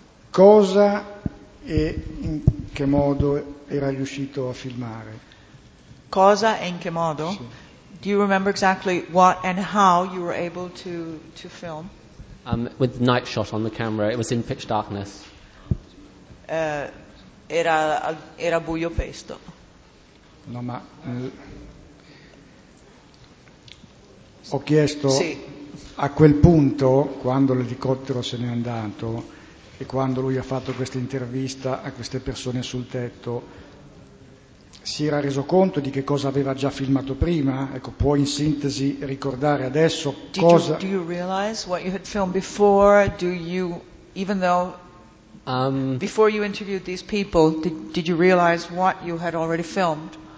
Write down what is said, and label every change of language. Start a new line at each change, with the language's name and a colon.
Italian: cosa e in che modo era riuscito a filmare. Cosa e in che modo? Sì.
English: Do you remember exactly what and how you were able to film? With night shot on the camera, it was in pitch darkness.
Italian: Era buio pesto. No, ma ho chiesto sì. A quel punto, quando l'elicottero se n'è andato e quando lui ha fatto questa intervista a queste persone sul tetto, si era reso conto di che cosa aveva già filmato prima? Ecco, può in sintesi ricordare adesso cosa...
English: Do you realize what you had filmed before? Do you, even though, before you interviewed these people, did you realize what you had already filmed?